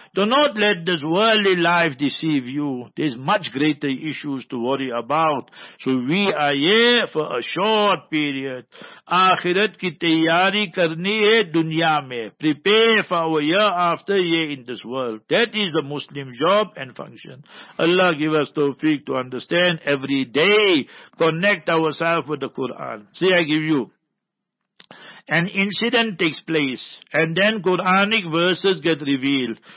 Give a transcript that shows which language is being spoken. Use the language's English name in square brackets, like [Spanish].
[English] Do not let this worldly life deceive you. There's much greater issues to worry about. So we are here for a short period. [Urdu] آخرت کی تیاری کرنی ہے دنیا میں. [English] Prepare for our year after year in this world. That is the Muslim job and function. Allah give us tawfiq to understand every day. Connect ourselves with the Quran. See, I give you. An incident takes place and then Quranic verses get revealed.